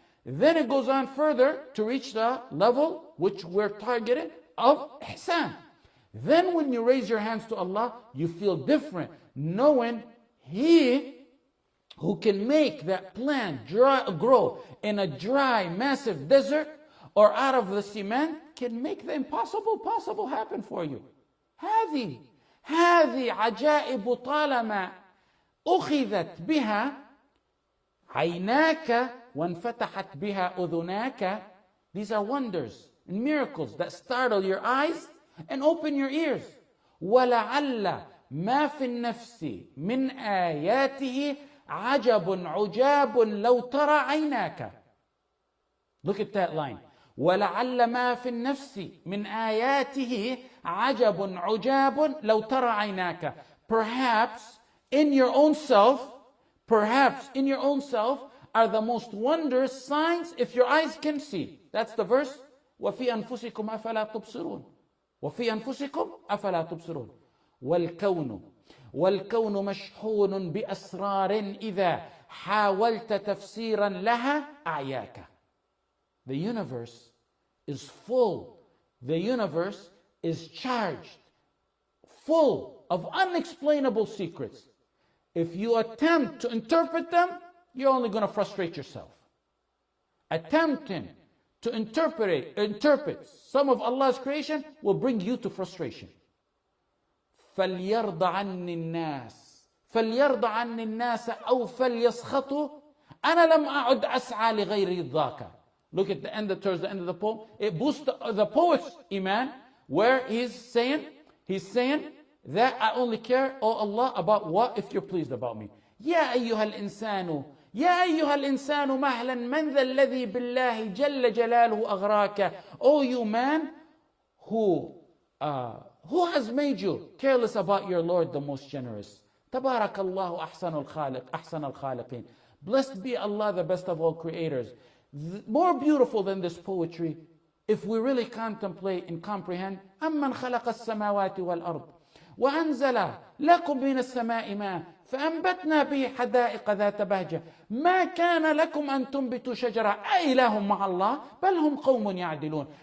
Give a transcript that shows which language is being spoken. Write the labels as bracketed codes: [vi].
[en] Then it goes on further to reach the level which we're targeting of ihsan. Then when you raise your hands to Allah, you feel different. knowing he who can make that plant dry, grow in a dry, massive desert or out of the cement can make the impossible possible happen for you. [ar] هذه هذه عجائب طالما أخذت بها عيناك وانفتحت بها أذناك. [en] These are wonders and miracles that startle your eyes and open your ears. [ar] ولعل ما في النفس من آياته عجب عجاب لو ترى عيناك. [en] Look at that line. [ar] ولعل ما في النفس من آياته عجب عجاب لو ترى عيناك. [en] Perhaps in your own self, perhaps in your own self are the most wondrous signs if your eyes can see. That's the verse. [ar] وفي أنفسكم أفلا تبصرون. وفي أنفسكم أفلا تبصرون. والكون والكون مشحون بأسرار إذا حاولت تفسيرا لها أعياك. [en] The universe is full. The universe is charged, full of unexplainable secrets. If you attempt to interpret them, you're only going to frustrate yourself. Attempting to interpret some of Allah's creation will bring you to frustration. [ar] فَلْيَرْضَ عَنِّي النَّاسِ فَلْيَرْضَ عَنِّي النَّاسَ أَوْ فَلْيَسْخَطُوا أَنَا لَمْ أَعُدْ أَسْعَى لِغَيْرِ الضَّاكَ. [en] Look at the end, towards the end of the poem. It boosts the poet's iman, where he's saying that I only care, O Allah, about what if you're pleased about me. [ar] يَا أَيُّهَا الْإِنسَانُ يَا أَيُّهَا الْإِنسَانُ مَهْلًا مَنْ ذَا الَّذِي بِاللَّهِ جَلَّ جَلَالُهُ أَغْرَاكَ. [en] O you man, who has made you careless about your Lord, the most generous. [ar] تَبَارَكَ اللَّهُ أَحْسَنُ الْخَالِقِ أَحْسَنَ الْخَالِقِينَ. [en] Blessed be Allah, the best of all creators. More beautiful than this poetry, if we really contemplate and comprehend, [ar] أَمَّنْ خَلَقَ السَّمَاوَاتِ وَالْأَرْضِ وَأَنْزَلَ لَكُمْ مِنَ السَّمَاءِ مَاءً فَأَنْبَتْنَا بِهِ حَدَائِقَ ذَاتَ بَهْجَةٍ مَا كَانَ لَكُمْ أَنْ تُنْبِتُوا شَجَرَةً أَإِلَهٌ مَعَ اللَّهِ بَلْ هُمْ قَوْمٌ يَعْدِلُونَ